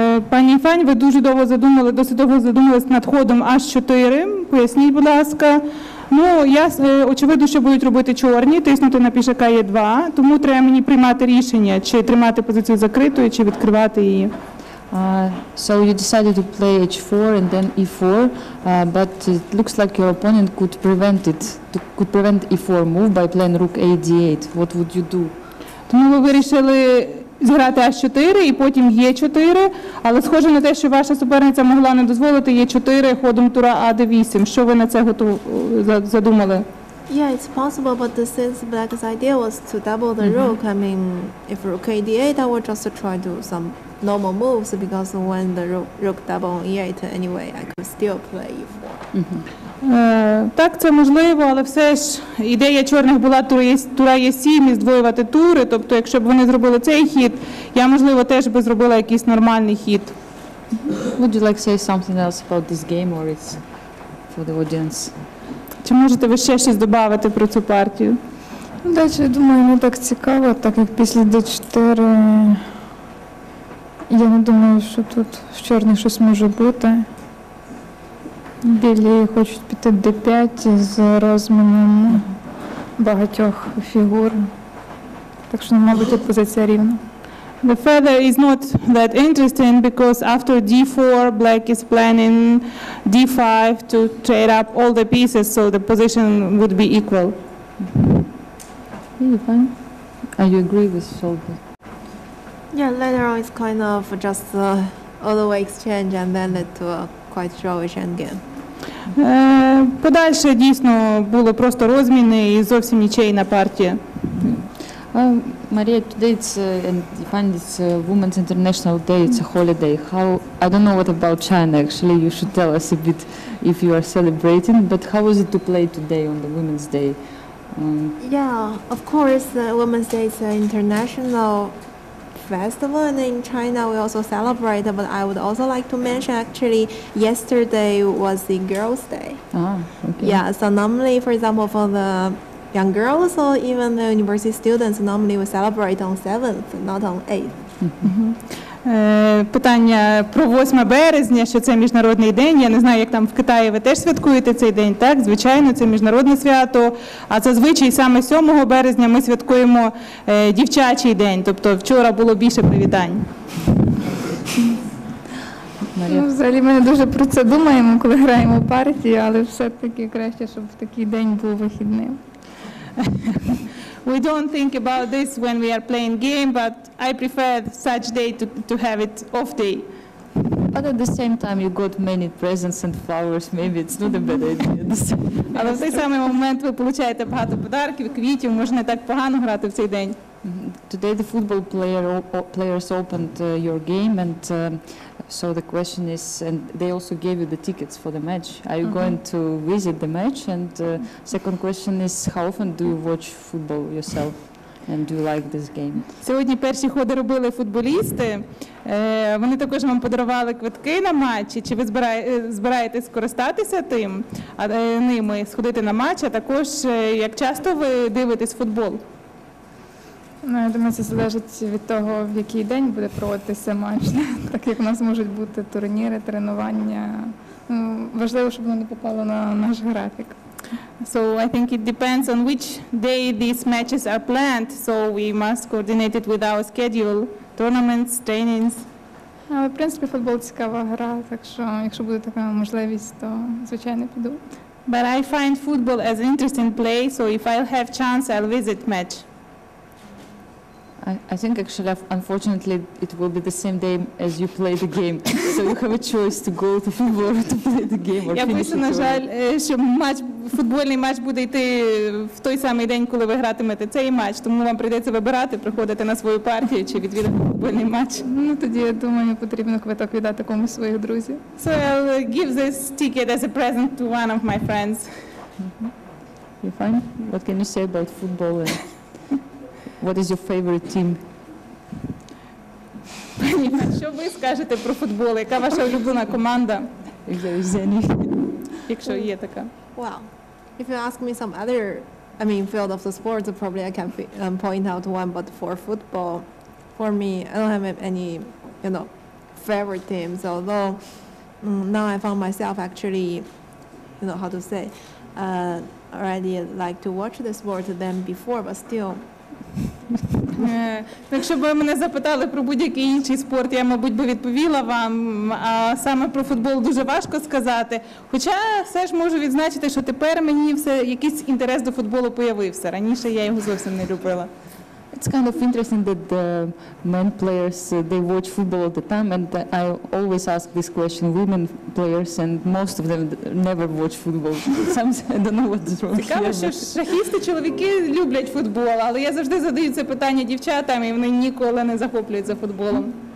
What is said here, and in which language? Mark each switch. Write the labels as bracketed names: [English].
[Ukrainian] Пані Фань, ви дуже довго задумали, досить довго задумались над ходом H4. Поясніть, будь ласка. Ну, я очевидно, що будуть робити чорні, тиснути на пішака Е2, тому треба мені приймати рішення, чи тримати позицію закритою, чи відкривати її. [English] So you decided to play H4 and then E4, but it looks like your opponent could prevent it, could prevent E4 move by playing rook AD8. What would you do? [Ukrainian] Тому ви вирішили зіграти H4 і потім E4, але схоже на те, що ваша суперниця могла не дозволити E4 ходом тура AD8. Що ви на це задумали? [English] Yeah, it's possible, but since Black's idea was to double the rook, I mean, if rook AD8, I would just try to do some normal moves, because when the rook double on E8 anyway, I could still play E4. Mm-hmm. [Ukrainian] Так, це можливо, але все ж ідея чорних була тура Е7 і здвоювати тури, тобто якщо б вони зробили цей хід, я, можливо, теж би зробила якийсь нормальний хід. [English] Would you like to say something else about this game, or it's for the audience? [Ukrainian] Чи можете ви ще щось додати про цю партію? Ну, так, я думаю, не так цікаво, так як після D4, я не думаю, що тут з чорних щось може бути. Білі хочуть піти D5 з розміном багатьох фігур. Так що, мабуть, позиція рівна. [English] The feather is not that interesting because after d4, black is planning d5 to trade up all the pieces, so the position would be equal. Are you fine? Are you agree with Solvay? Yeah, later on it's kind of just all the way exchange and then led to a quite showish endgame. [Ukrainian] Подальше дійсно було просто розміни і зовсім нічей на партії. [English] Maria, today it's Women's International Day. It's a holiday. How, I don't know what about China. Actually, you should tell us a bit if you are celebrating. But how was it to play today on the Women's Day? Yeah, of course, Women's Day is an international festival, and in China we also celebrate. But I would also like to mention, actually, yesterday was the Girls' Day. Ah, okay. Yeah. So normally, for example, for the young girls or even the university students normally we celebrate on 7th, not on 8th. [Ukrainian] Питання про 8 березня, що це міжнародний день. Я не знаю, як там в Китаї ви теж святкуєте цей день, так? Звичайно, це міжнародне свято. А зазвичай саме 7 березня ми святкуємо дівчачий день. Тобто вчора було більше привітань. Ну, взагалі ми не дуже про це думаємо, коли граємо партію, але все-таки краще, щоб в такий день був вихідним. [English] We don't think about this when we are playing game, but I prefer such day to have it off day. But at the same time, you got many presents and flowers. Maybe it's not a bad idea. [Ukrainian] Але в той самий момент ви получаєте багато подарків, квітів, може не так погано грати в цей день. [English] Today the football players opened your game, and so the question is, and they also gave you the tickets for the match. Are you going to visit the match? And second question is, how often do you watch football yourself? And do you like this game? [Ukrainian] Сьогодні перші ходи робили футболісти. Вони також вам подарували квитки на матчі. Чи ви збираєтесь скористатися тим, ними, сходити на матч? А також, як часто ви дивитесь футбол? Ну, я думаю, це залежить від того, в який день буде проводитися матч. Так як у нас можуть бути турніри, тренування. Ну, важливо, щоб воно не попало на наш графік. [English] So I think it depends on which day these matches are planned, so we must coordinate it with our schedule, tournaments, trainings. [Ukrainian] Але, в принципі, футбол цікава гра, так що якщо буде така можливість, то звичайно піду. [English] But I find football as interesting play, so if I have chance, I'll visit match. I think actually, unfortunately, it will be the same day as you play the game. So you have a choice to go to football to play the game or finish it. [Ukrainian] Я боюся, на жаль, що матч, футбольний матч буде йти в той самий день, коли ви гратимете цей матч. Тому вам прийдеться вибирати, приходити на свою партію чи відвідати футбольний матч. Ну, тоді, я думаю, потрібно квиток віддати комусь своїх друзів. [English] So I'll give this ticket as a present to one of my friends. You're fine? What can you say about football? What is your favorite team? [Ukrainian] Що ви скажете про футбол? Яка ваша улюблена команда? Якщо є така. [English] Well, if you ask me some other, I mean, field of the sports, probably I can point out one, but for football, for me, I don't have any, you know, favorite teams. Although now I found myself actually, you know, how to say, already like to watch the sport than before, but still. [Ukrainian] Якщо б мене запитали про будь-який інший спорт, я, мабуть, би відповіла вам. А саме про футбол дуже важко сказати. Хоча все ж можу відзначити, що тепер мені все якийсь інтерес до футболу появився. Раніше я його зовсім не любила. [English] It's kind of interesting that the men players they watch football all the time, and I always ask this question women players, and most of them never watch football. Some say, I don't know what's wrong. [Ukrainian] Цікаво, що шахісти чоловіки люблять футбол, але я завжди задаю це питання дівчатам, і вони ніколи не захоплюються футболом.